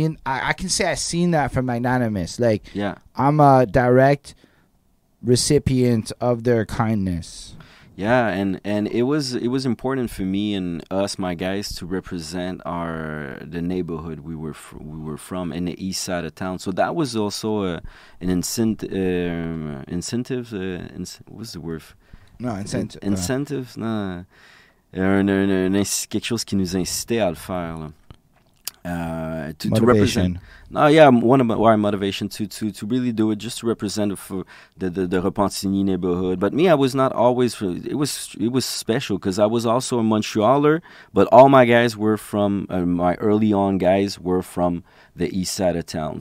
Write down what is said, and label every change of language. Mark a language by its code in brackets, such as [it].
[en] I can say I seen that from Magnanimous. Like, yeah. I'm a direct recipient of their kindness. Yeah, and it was important for me and us, my guys, to represent the neighborhood we were from in the east side of town. So that was also [fr] quelque chose qui nous incitait à le faire là. [en] To represent. No, yeah, one of my motivation to really do it, just to represent for the Repentigny neighborhood. But me, I was not always. It was special because I was also a Montrealer. But all my guys were from my early on guys were from the east side of town.